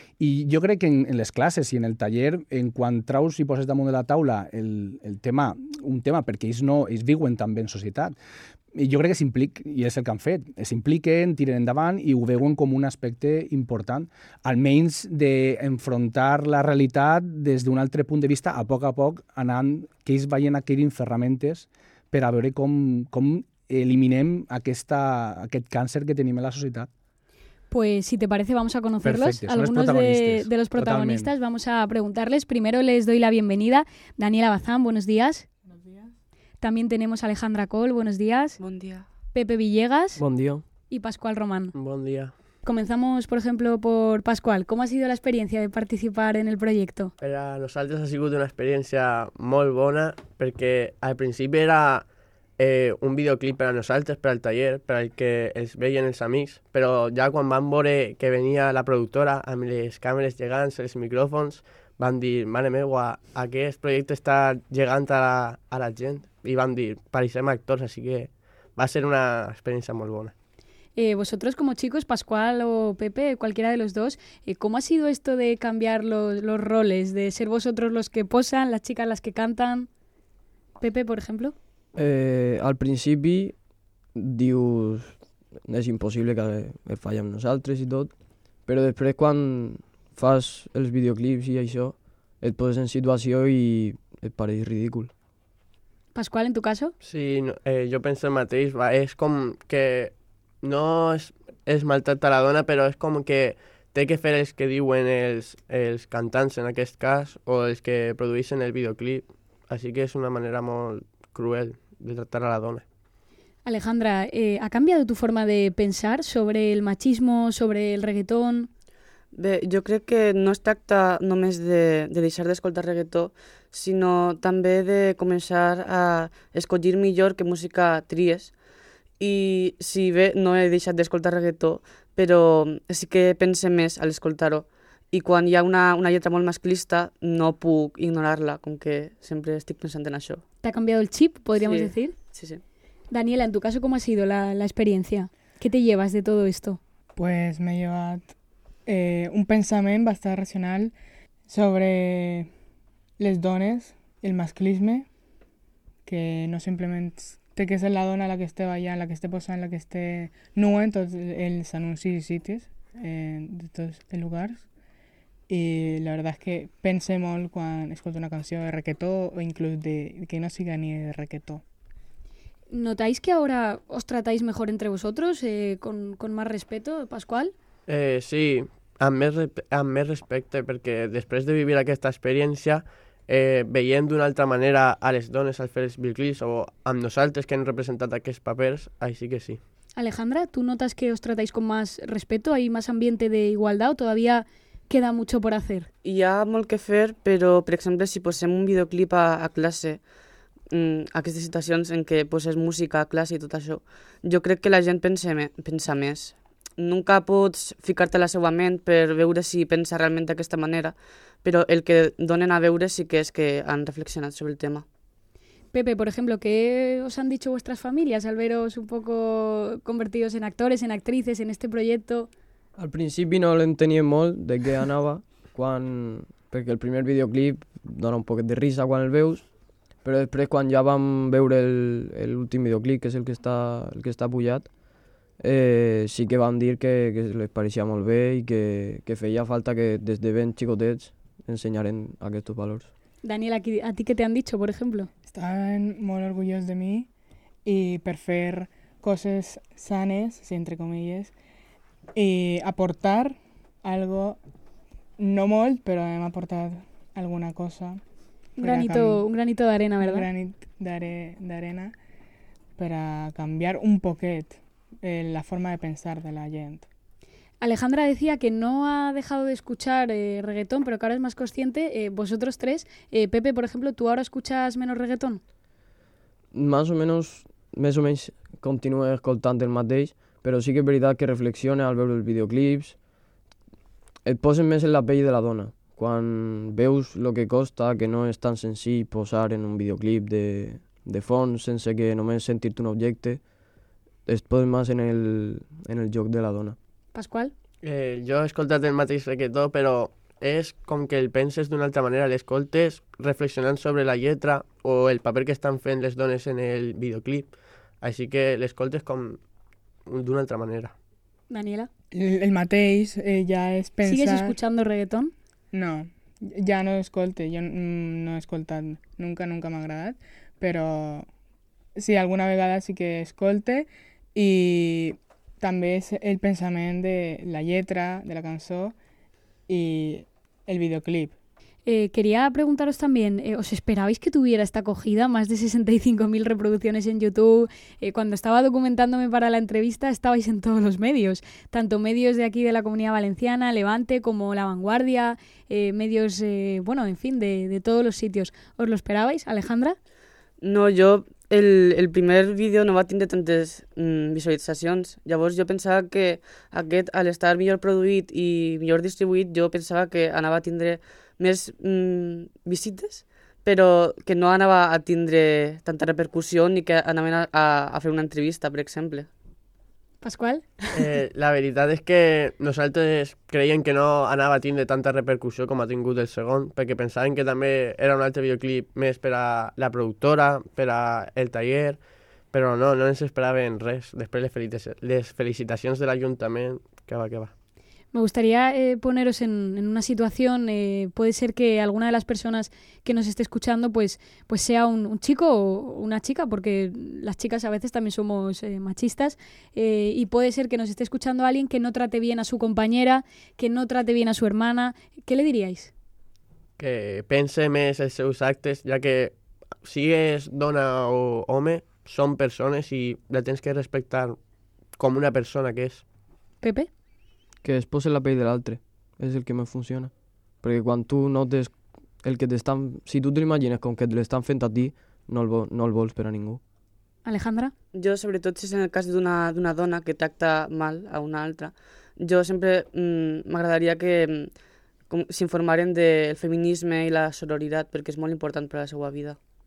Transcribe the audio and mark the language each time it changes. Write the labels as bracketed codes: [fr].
[ca] I jo crec que en les classes i en el taller, en quan traus i poses damunt de la taula el tema, un tema, perquè ells viuen també en societat, jo crec que i és el que han fet, s'impliquen, tiren endavant i ho veuen com un aspecte important, almenys d'enfrontar la realitat des d'un altre punt de vista, a poc anant, que ells vagin adquirint ferramentes per a veure com eliminem aquest càncer que tenim en la societat. [es] Pues si te parece vamos a conocerlos. [ca] Perfecte, [es] algunos de los protagonistas. [ca] Totalment. [es] Vamos a preguntarles. Primero les doy la bienvenida. Daniela Bazán, buenos días. Buenos días. También tenemos a Alejandra Coll, buenos días. Buen día. Pepe Villegas. Buen día. Y Pascual Román. Buen día. Comenzamos, por ejemplo, por Pascual. ¿Cómo ha sido la experiencia de participar en el proyecto? Para nosotros ha sido una experiencia muy buena porque al principio era... [ca] un videoclip per a nosaltres, per al taller, per al que els veien els amics, però ja quan van veure que venia la productora amb les càmeres llegants, els micròfons, van dir, mare meva, aquest projecte està llegant a la gent. i van dir, pareixem actors, així que va ser una experiència molt bona. [es] Vosotros como chicos, Pascual o Pepe, cualquiera de los dos, ¿cómo ha sido esto de cambiar los roles? ¿De ser vosotros los que posan, las chicas las que cantan? Pepe, por ejemplo. [ca] Al principi dius, és impossible que el falli amb nosaltres i tot, però després quan fas els videoclips i això, et poses en situació i et pareix ridícul. [es] Pascual, en tu caso? [ca] Sí, jo penso el mateix. Va, és com que no és maltractar la dona, però és com que té que fer els que diuen els cantants en aquest cas o els que produeixen el videoclip. Així que és una manera molt cruel de tratar a la dona. [es] Alejandra, ¿ha cambiado tu forma de pensar sobre el machismo, sobre el reggaetón? [ca] Bé, jo crec que no es tracta només de deixar d'escoltar reggaetó, sinó també de començar a escollir millor que música tries. I si bé, no he deixat d'escoltar reggaetó, però sí que pense més a l'escoltar-ho. I quan hi ha una lletra molt masclista, no puc ignorar-la, com que sempre estic pensant en això. ¿T'ha canviat el chip, podríem sí. dir? Sí, sí. [es] Daniela, en tu caso, ¿cómo ha sido la experiencia? ¿Qué te llevas de todo esto? Pues me he llevado un pensamiento bastante racional sobre [ca] les dones, el masclisme, que no simplemente té que ser la dona la que esté ballant, la que esté posant, la que esté nua en tots els anuncis i sitis, de tots els lugars. I [es] la verdad es que pensé [ca] molt quan escolto una canció de reggaetó o inclús de que no siga ni de reggaetó. [es] ¿Notáis que ahora os tratáis mejor entre vosotros, con más respeto, Pascual? [ca] Sí, amb més respecte, perquè després de vivir aquesta experiència, veient d'una altra manera a les dones, al fer els videoclips, o amb nosaltres que hem representat aquests papers, ahí sí que sí. [es] Alejandra, ¿tú notas que os tratáis con más respeto? ¿Hay más ambiente de igualdad o todavía queda mucho por hacer? [ca] Hi ha molt que fer, però, per exemple, si posem un videoclip a classe, aquestes situacions en què poses música, classe i tot això, jo crec que la gent pensa més. Nunca pots ficar-te a la seva ment per veure si pensa realment d'aquesta manera, però el que donen a veure sí que és que han reflexionat sobre el tema. [es] Pepe, por ejemplo, ¿qué os han dicho vuestras familias al veros un poco convertidos en actores, en actrices, en este proyecto? [ca] Al principi no l'entenia molt de què anava, perquè el primer videoclip dona un poquet de risa quan el veus, però després quan ja vam veure l'últim videoclip, que és el que està pujat, sí que van dir que les pareixia molt bé i que feia falta que des de ben xicotets ensenyaren aquests valors. Daniel, a ti què t'han dit, per exemple? Estan molt orgullosos de mi i per fer coses sanes, si entre comilles, i aportar algo, no molt, però hem aportat alguna cosa. [es] Un granito d'arena, ¿verdad? [ca] Un granit d'arena per a canviar un poquet la forma de pensar de la gent. [es] Alejandra decía que no ha dejado de escuchar reggaetón, pero que ahora es más consciente. Vosotros tres, Pepe, por ejemplo, ¿tú ahora escuchas menos reggaetón? Más o menos continúo [ca] escoltant el mateix, però sí que és veritat que reflexiona al veure els videoclips. Et posen més en la pell de la dona. Quan veus el que costa, que no és tan senzill posar en un videoclip de fons sense que només sentir-te un objecte, et posen més en el joc de la dona. Pascual? Jo he escoltat el mateix reggaetó, però és com que el penses d'una altra manera, l'escoltes reflexionant sobre la lletra o el paper que estan fent les dones en el videoclip. Així que l'escoltes com d'una altra manera. Daniela? El mateix, ja és pensar... [es] ¿Sigues escuchando reggaetón? [ca] No, ja no escolte. Jo no he escoltat nunca m'ha agradat, però sí, alguna vegada sí que escolte i també és el pensament de la lletra, de la cançó i el videoclip. [es] Quería preguntaros también, ¿os esperabais que tuviera esta acogida? Más de 65.000 reproducciones en YouTube. Cuando estaba documentándome para la entrevista, estabais en todos los medios. Tanto medios de aquí, de la Comunidad Valenciana, Levante, como La Vanguardia, medios, bueno, en fin, de todos los sitios. ¿Os lo esperabais, Alejandra? [ca] No, yo el primer vídeo no va tindre tantes visualitzacions. Llavors jo pensava que aquest, al estar millor produït i millor distribuït, jo pensava que anava a tindre... més visites, però que no anava a tindre tanta repercussió ni que anaven a fer una entrevista, per exemple. Pasqual? La veritat és que nosaltres creiem que no anava a tindre tanta repercussió com ha tingut el segon, perquè pensàvem que també era un altre videoclip més per a la productora, per a el taller, però no, no ens esperàvem res. Després les felicitacions de l'Ajuntament, que va, que va. [es] Me gustaría poneros en una situación, puede ser que alguna de las personas que nos esté escuchando pues sea un chico o una chica, porque las chicas a veces también somos machistas, y puede ser que nos esté escuchando alguien que no trate bien a su compañera, que no trate bien a su hermana. ¿Qué le diríais? [ca] Que pense més en seus actes, [es] ya que si es dona o home, son personas y la tienes que respetar como una persona que es. Pepe. [ca] Que es posar la pell de l'altre, és el que més funciona. Perquè quan tu notes el que t'estan... Si tu te l'imagines com que te l'estan fent a ti, no el vols per a ningú. Alejandra? Jo, sobretot, si és en el cas d'una dona que tracta mal a una altra, jo sempre m'agradaria que s'informaren del feminisme i la sororitat, perquè és molt important per a la seva vida.